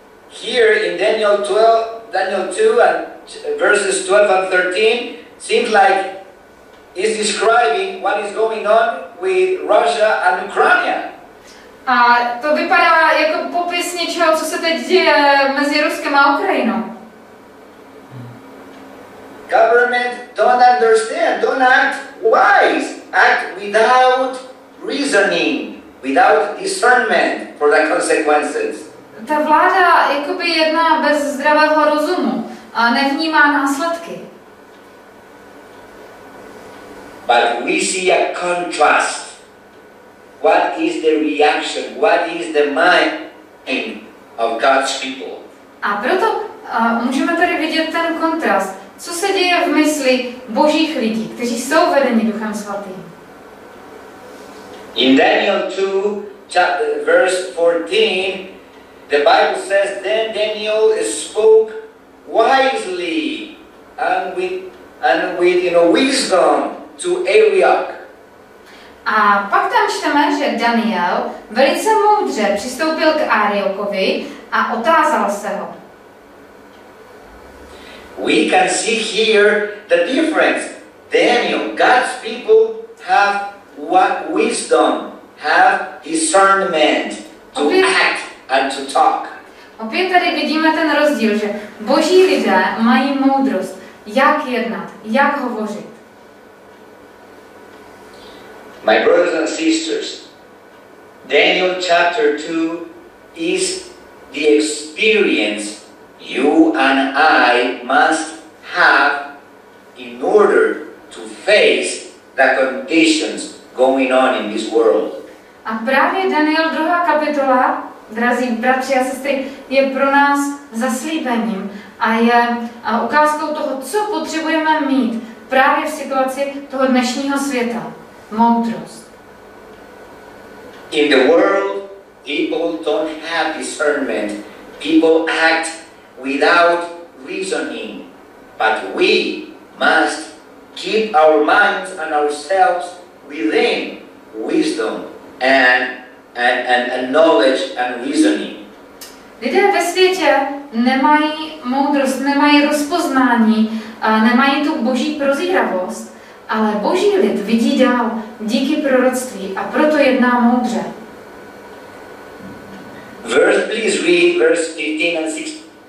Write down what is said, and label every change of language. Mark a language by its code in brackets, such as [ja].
[en] here in Daniel 2 and verses 12 and 13 seems like is describing what is going on with Russia and Ukraine. [cs] A to vypadá jako popis něčeho, co se teď děje mezi Ruskem a Ukrajinou. [en] Government don't understand, don't act wise, act without reasoning, without discernment for the consequences. [cs] Ta vláda jakoby jedná bez zdravého rozumu a nevnímá následky. [en] But we see a contrast. What is the reaction? What is the mind of God's people? [cs] A proto můžeme tady vidět ten kontrast. Co se děje v mysli Božích lidí, kteří jsou vedeni Duchem Svatým? [en] In Daniel 2, chapter, verse 14, the Bible says, then Daniel spoke wisely and with wisdom to Arioch. [cs] A pak tam čteme, že Daniel velice moudře přistoupil k Ariokovi a otázal se ho. [en] We can see here the difference. Daniel, God's people have what wisdom, have discernment to [cs] opět, [en] act and to talk. [cs] Opět tady vidíme ten rozdíl, že Boží lidé mají moudrost, jak jednat, jak hovořit. [en] My brothers and sisters, Daniel chapter 2 is the experience you and I must have in order to face the conditions going on in this world. [cs] A právě Daniel 2. kapitola, drazí bratři a sestry, je pro nás zaslíbením a je ukázkou toho, co potřebujeme mít právě v situaci toho dnešního světa. Moudrost. [en] In the world, people don't have discernment. People act without reasoning, but we must keep our minds and ourselves within wisdom and knowledge and reasoning. [cs] Lidé ve světě nemají moudrost, nemají rozpoznání, nemají tu Boží prozíravost, ale Boží lid vidí dál díky proroctví a proto jedná moudře. [en] Verse, please read verse 15 and 16.